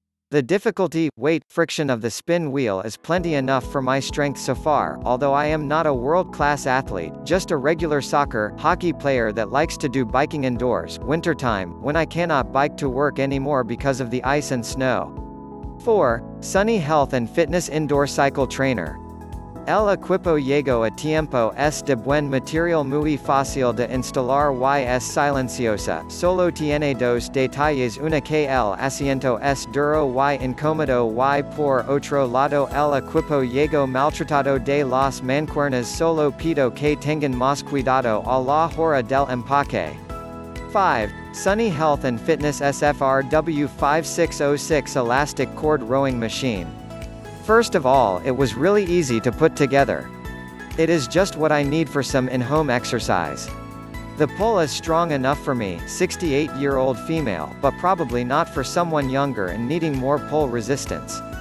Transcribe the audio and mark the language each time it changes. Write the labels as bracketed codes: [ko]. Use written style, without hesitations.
[en] The difficulty, weight, friction of the spin wheel is plenty enough for my strength so far, although I am not a world-class athlete, just a regular soccer, hockey player that likes to do biking indoors, wintertime, when I cannot bike to work anymore because of the ice and snow. 4. Sunny Health and Fitness Indoor Cycle Trainer. [es] El equipo llegó a tiempo es de buen material muy fácil de instalar y es silenciosa, solo tiene dos detalles una que el asiento es duro y incómodo y por otro lado el equipo llegó maltratado de las mancuernas solo pido que tengan más cuidado a la hora del empaque. [en] 5. Sunny Health and Fitness SFRW5606 Elastic Cord Rowing Machine. First of all, it was really easy to put together. It is just what I need for some in-home exercise. The pull is strong enough for me, 68-year-old female, but probably not for someone younger and needing more pull resistance.